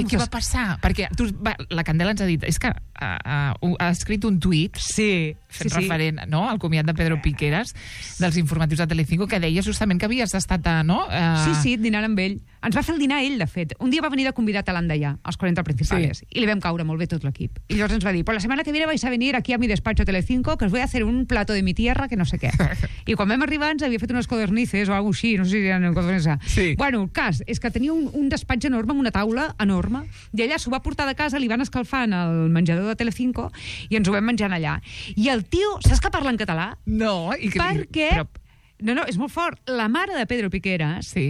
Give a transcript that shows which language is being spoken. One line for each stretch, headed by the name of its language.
Catalan: que va passar? Perquè tu, la Candela ens ha dit... És que ha escrit un tuit... Sí, fent sí, referent, sí. No, al comiat de Pedro Piqueras, dels informatius de Telecinco, que deia justament que havies estat... Sí, dinant amb ell. Ens va fer el dinar ell, de fet. Un dia va venir de convidat a l'Andallà, als 40 principals, sí. I li vam caure molt bé tot l'equip. I llavors ens va dir,
Spanish: pues la setmana que viene vais a venir aquí a mi despacho Telecinco, que os voy a hacer un plato de mi tierra,
Catalan: que no sé què. I quan vam arribar ens havia fet unes codornices o algo així, no sé si eren codornices. Sí. Bueno, el cas és que tenia un despatx enorme, amb una taula enorme, i allà s'ho va portar de casa, li van escalfant al menjador de Telecinco, i ens ho vam menjant allà. I el tio, saps que parla en català? No, i que... Perquè... No, és molt fort. La mare de Pedro Piqueras sí.